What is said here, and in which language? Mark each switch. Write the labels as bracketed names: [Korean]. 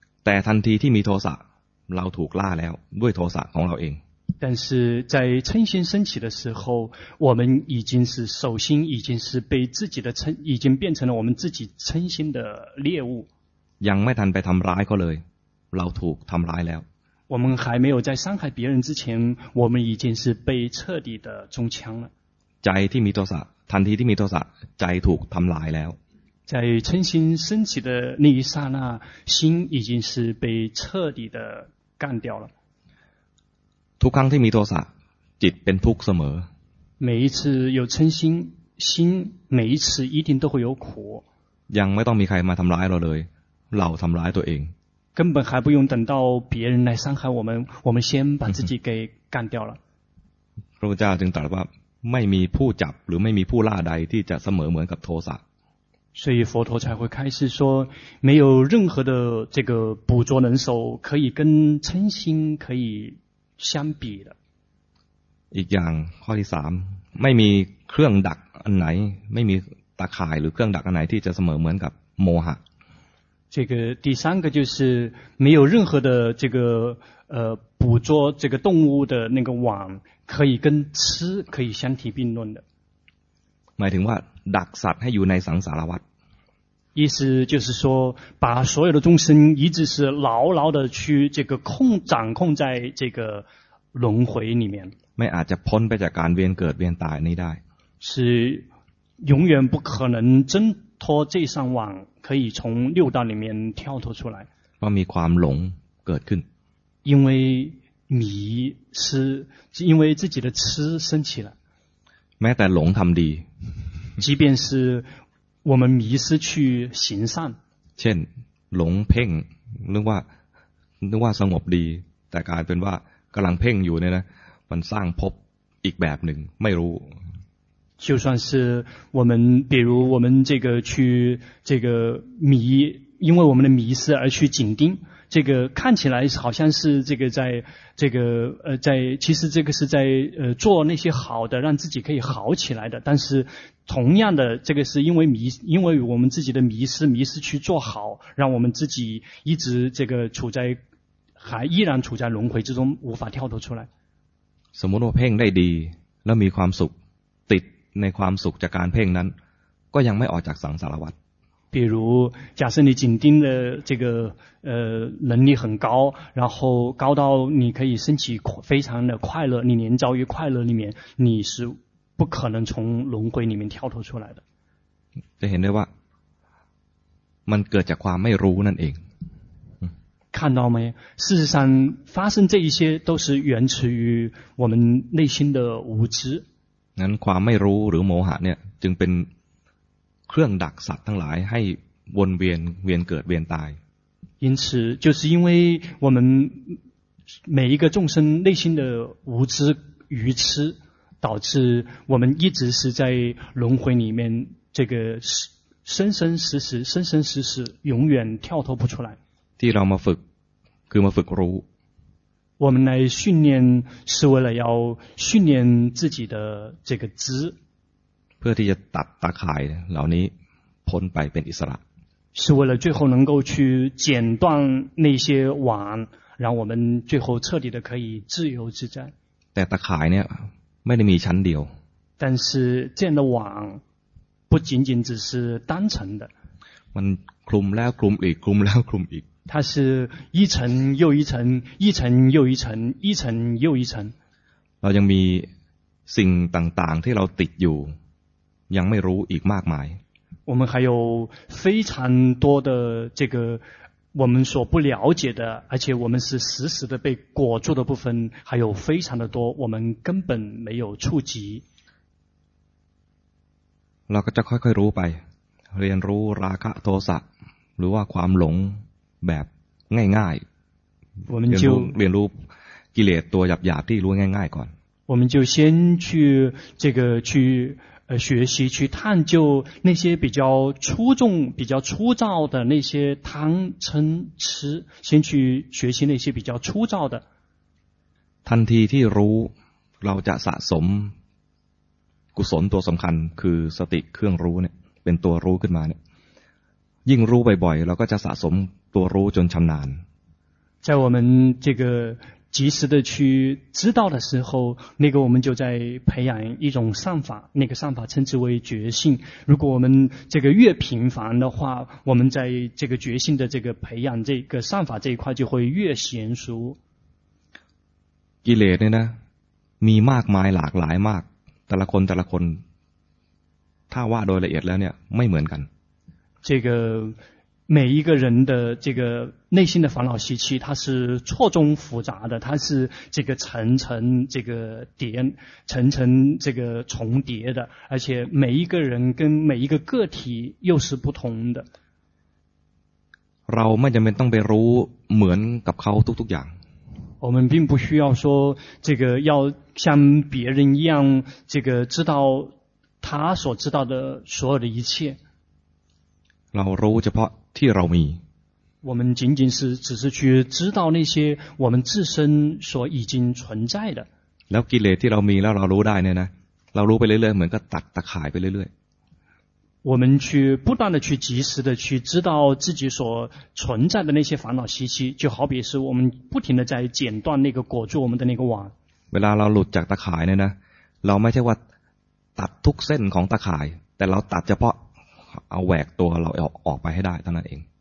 [Thai] แต่ทันทีที่มีโทสะเราถูกล่าแล้วด้วยโทสะของเราเอง [Chinese] 但是在嗔心升起的时候我们已经是手心已经是被自己的嗔已经变成了我们自己嗔心的猎物 [Thai] ยังไม่ทันไปทำร้ายเขาเลยเราถูกทำร้ายแล้ว [Chinese] 我们还没有在伤害别人之前我们已经是被彻底的中枪了 [Thai] ใจที่มีโทสะทันทีที่มีโทสะใจถูกทำร้ายแล้ว [Chinese] 在嗔心升起的那一刹那心已经是被彻底的干掉了 [Thai] ทุกครั้งที่มีโทสะจิตเป็นทุกข์เสมอ [Chinese] 每一次有嗔心心每一次一定都会有苦 [Thai] ยังไม่ต้องมีใครมาทำร้ายเราเลยเราทำร้ายตัวเอง [Chinese] 根本还不用等到别人来伤害我们我们先把自己给干掉了 [Thai] พระพุทธเจ้าจึงตรัสว่าไม่มีผู้จับหรือไม่มีผู้ล่าใดที่จะเสมอเหมือนกับโทสะ [Chinese] 所以佛陀才会开示说没有任何的这个捕捉能手可以跟嗔心可以相比的 [Thai] อีกอย่างข้อที่สามไม่มีเครื่องดักอันไหนไม่มีตาข่ายหรือเครื่องดักอันไหนที่จะเสมอเหมือนกับโมหะ [Chinese] 这个第三个就是没有任何的这个捕捉这个动物的那个网可以跟吃可以相提并论的 [Thai] หมายถึงว่าดักสัตว์ให้อยู่ในสังสารวัฏ [Chinese] 意思就是说把所有的众生一直是牢牢的去这个控掌控在这个轮回里面 [Thai] ไม่อาจจะพ้นไปจากการเวียนเกิดเวียนตายนี้ได้ [Chinese] 是永远不可能挣脱这扇网可以从六道里面跳脱出来 [Thai] เพราะมีความหลงเกิดขึ้น [Chinese] 因为迷失因为自己的痴升起了 [Thai] แม้แต่หลงทำดี [Chinese] 即便是我们迷失去行善 [Thai] เช่นหลงเพ่งนึกว่าสงบดีแต่กลายเป็นว่ากำลังเพ่งอยู่เนี่ยนะมันสร้างภพอีกแบบหนึ่งไม่รู้ [Chinese] 就算是我们比如我们这个去这个迷因为我们的迷失而去紧盯这个看起来好像是这个在这个在其实这个是在做那些好的让自己可以好起来的但是同样的这个是因为迷因为我们自己的迷失去做好让我们自己一直这个处在还依然处在轮回之中无法跳脱出来 [Thai] สมมติว่าเพ่งได้ดีแล้วมีความสุขติดในความสุขจากการเพ่งนั้นก็ยังไม่ออกจากสังสารวัฏ [Chinese] 比如假设你紧盯的这个能力很高然后高到你可以升起非常的快乐你连遭于快乐里面你是不可能从轮回里面跳脱出来的 [Thai] จะเห็นได้ว่ามันเกิดจากความไม่รู้นั่นเอง [Chinese] 看到没事实上发生这一些都是源自于我们内心的无知 [Thai] งั้นความไม่รู้หรือโมหะเนี่ยจึงเป็นเครื่องดักสัตว์ทั้งหลายให้วนเวียนเกิดเวียนตาย [Chinese] 因此就是因为我们每一个众生内心的无知愚痴导致我们一直是在轮回里面这个生生死死永远跳脱不出来 [Thai] ที่เรามาฝึกคือมาฝึกรู้ [Chinese] 我们来训练是为了要训练自己的这个知 [Thai] เพื่อที่จะตัดตาข่ายเหล่านี้พ้นไปเป็นอิสระ [Chinese] 是为了最后能够去剪断那些网让我们最后彻底的可以自由自在 [Thai] แต่ตาข่ายเนี่ยไม่ได้มีชั้นเดียว [Chinese] 但是这样的网不仅仅只是单层的 [Thai] มันคลุมแล้วคลุมอีกคลุมแล้วคลุมอีก [Chinese] 它是一层又一层一层又一层一层又一层 [Thai] เรายังมีสิ่งต่างๆที่เราติดอยู่ยังไม่รู้อีกมากมาย [Chinese] 我们还有非常多的这个我们所不了解的，而且我们是实时的被裹住的部分，还有非常的多，我们根本没有触及。 [Thai] เราก็จะค่อยๆรู้ไปเรียนรู้ราคะโทสะหรือว่าความหลงแบบง่าย ๆเรียนรู้เรียนรู้กิเลสตัวหยาบๆที่รู้ง่ายๆก่อน [Chinese] 我们就先去这个去学习去探究那些比较粗重比较粗糙的那些贪嗔痴先去学习那些比较粗糙的 [Thai] ทันทีที่รู้เราจะสะสมกุศลตัวสำคัญคือสติเครื่องรู้เนี่ยเป็นตัวรู้ขึ้นมาเนี่ยยิ่งรู้บ่อยๆเราก็จะสะสมตัวรู้จนชำนาญ [Chinese] 在我们这个及时的去知道的时候，那个我们就在培养一种善法，那个善法称之为觉性。如果我们这个越频繁的话，我们在这个觉性的这个培养这个善法这一块就会越娴熟。 [Thai] กิเลสเนี่ยนะมีมากมายหลากหลายมากแต่ละคนแต่ละคนถ้าว่าโดยละเอียดแล้วเนี่ยไม่เหมือนกัน [Chinese] 这个每一个人的这个内心的烦恼习气，它是错综复杂的，它是这个层层这个叠，层层这个重叠的，而且每一个人跟每一个个体又是不同的。 [Thai] เราไม่จำเป็นต้องไปรู้เหมือนกับเขาทุกๆอย่าง。 [Chinese] 我们并不需要说这个要像别人一样，这个知道他所知道的所有的一切。 [Thai] เรารู้เฉพาะที่เรามี [Chinese] 我们仅仅是只是去知道那些我们自身所已经存在的 [Thai] แล้วกิเลสที่เรามีแล้วเรารู้ได้เนี่ยนะเรารู้ไปเรื่อยๆเหมือนกับตัดตะข่ายไปเรื่อย [Chinese] ๆ我们去不断的去及时的去知道自己所存在的那些烦恼习气就好比是我们不停的在剪断那个裹住我们的那个网 [Thai] เวลาเราหลุดจากตะข่ายเนี่ยนะเราไม่ใช่ว่าตัดทุกเส้นของตะข่ายแต่เราตัดเฉพาะเอาแหวกตัวเราออกไปให้ได้เท่านั้นเอง